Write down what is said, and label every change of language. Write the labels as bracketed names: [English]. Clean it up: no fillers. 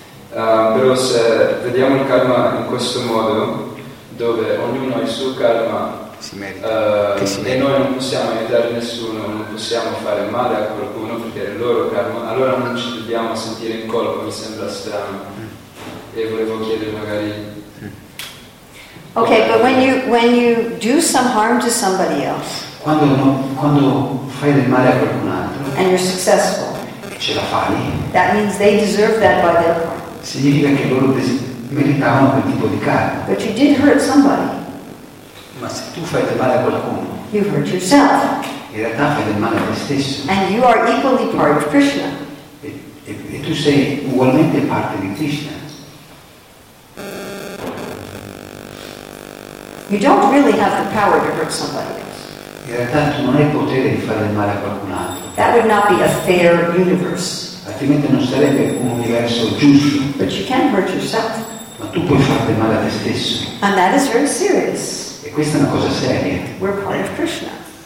[Italian] Però se vediamo il karma in questo modo, dove ognuno ha il suo karma, si merita. Noi non possiamo aiutare nessuno, non possiamo fare male a qualcuno perché è il loro karma, allora non ci dobbiamo sentire in colpa, mi sembra strano. E volevo chiedere magari. [English] Okay, but when you do some harm to somebody else. [Italian] Quando fai del male a qualcun altro. [English] And you're successful. [Italian] Ce la fai. [English] That means they deserve that by their part. [Italian] Significa che loro meritavano quel tipo di karma. [English] But you did hurt somebody. [Italian] Ma se tu fai del male a qualcuno. [English] You hurt yourself. [Italian] In realtà fai del male a te stesso. [English] And you are equally part of Krishna. [Italian] E tu sei ugualmente parte di Krishna. [English] You don't really have the power to hurt somebody else. [Italian] In realtà tu non hai potere di fare del male a qualcun altro. [English] That would not be a fair universe. [Italian] Altrimenti non sarebbe un universo giusto. [English] But you can hurt yourself. [Italian] Ma tu puoi far del male a te stesso. [English] And that is very serious. [Italian] E questa è una cosa seria. [English] We're part of Krishna.